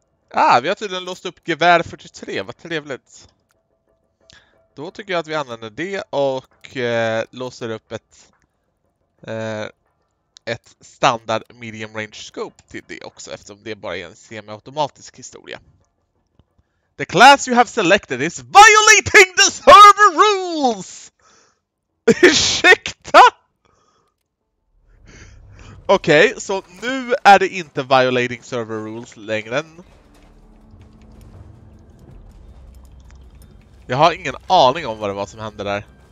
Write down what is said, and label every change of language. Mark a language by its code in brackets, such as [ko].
[sv] Ah, vi har tydligen låst upp gevär 43. Vad trevligt. Då tycker jag att vi använder det och låser upp ett standard medium range scope till det också. Eftersom det bara är en semi-automatisk historia. [en] The class you have selected is violating the server rules! [sv] Ursäkta! Okej, så nu är det inte [en] violating server rules [sv] längre än... Jag har ingen aning om vad det var som hände där.